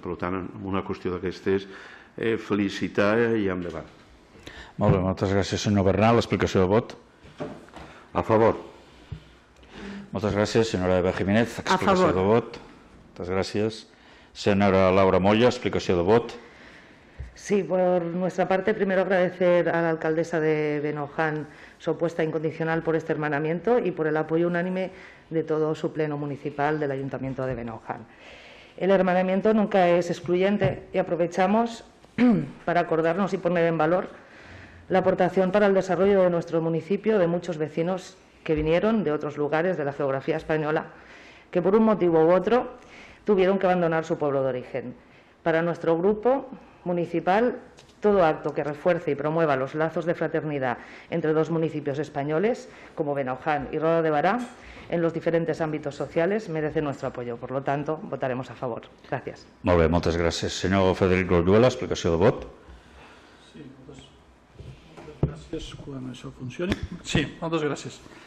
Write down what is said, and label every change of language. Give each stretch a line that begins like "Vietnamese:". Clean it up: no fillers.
Catalan: Per tant, una qüestió d'aquestes, felicitar i endavant. Molt bé, moltes gràcies, senyor Bernal. L'explicació de vot? A favor. Moltes gràcies, senyora Eva Jiménez. Explicació a favor. De vot. Moltes gràcies. Senyora Laura Molla, explicació de vot.
Spanish: Sí, por nuestra parte, primero agradecer a la alcaldesa de Benaujano su apuesta incondicional por este hermanamiento y por el apoyo unánime de todo su pleno municipal del Ayuntamiento de Benaujano. El hermanamiento nunca es excluyente y aprovechamos para acordarnos y poner en valor la aportación para el desarrollo de nuestro municipio de muchos vecinos que vinieron de otros lugares de la geografía española, que por un motivo u otro tuvieron que abandonar su pueblo de origen. Para nuestro grupo municipal, todo acto que refuerce y promueva los lazos de fraternidad entre dos municipios españoles, como Benaujano y Roda de Bará, en los diferentes ámbitos sociales, merece nuestro apoyo. Por lo tanto, votaremos a favor. Gracias.
Catalan: Molt bé, moltes gràcies. Senyor Frederic Orduela, explicació de vot. Sí, moltes gràcies quan això funcioni. Sí, moltes gràcies.